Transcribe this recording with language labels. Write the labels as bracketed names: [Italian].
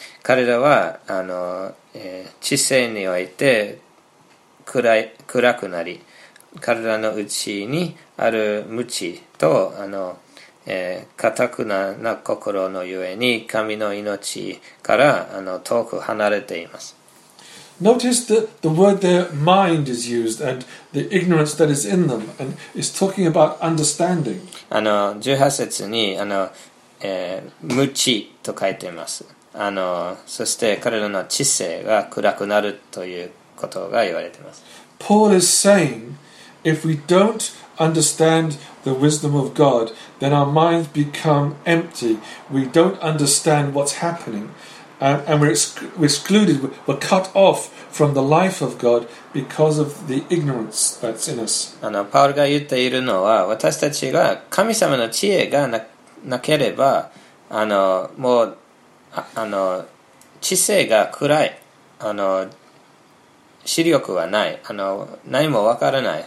[Japanese] 彼らは知性において暗くなり、彼らの内にある無知と堅くな心のゆえに神の命から遠く離れています。 [English] Notice that the word their mind is used and the ignorance that is in them and is talking about understanding. [Japanese] 18節に無知と書いています。そして彼らの知性が暗くなるということが言われています。 [English] Paul is saying, if we don't understand the wisdom of God, then our minds become empty. We don't understand what's happening. And we're excluded, we're cut off from the life of God because of the ignorance that's in us. [Japanese] パウルが言っているのは、私たちが神様の知恵がなければ、もう知性が暗い、視力はない、何もわからない。